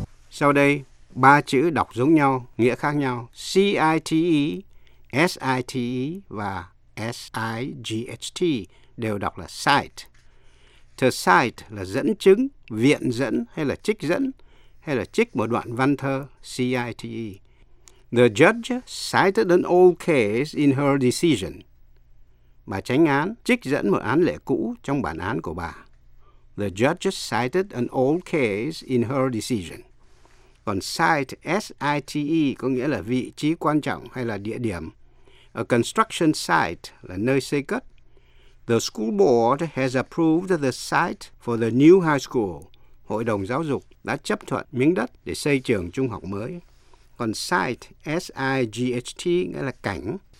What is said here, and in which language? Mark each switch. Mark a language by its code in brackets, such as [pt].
[vi] Sau đây, ba chữ đọc giống nhau, nghĩa khác nhau. C-I-T-E, S-I-T-E và S-I-G-H-T đều đọc là cite. To cite là dẫn chứng, viện dẫn hay là trích dẫn, hay là trích một đoạn văn thơ, C-I-T-E. [en] The judge cited an old case in her decision. [vi] Bà chánh án trích dẫn một án lệ cũ trong bản án của bà. [en] The judge cited an old case in her decision. [vi] Còn site, S-I-T-E, có nghĩa là vị trí quan trọng hay là địa điểm. [en] A construction site [vi] là nơi xây cất. [en] The school board has approved the site for the new high school. [vi] Hội đồng giáo dục đã chấp thuận miếng đất để xây trường trung học mới. Còn site, S-I-G-H-T, nghĩa là cảnh.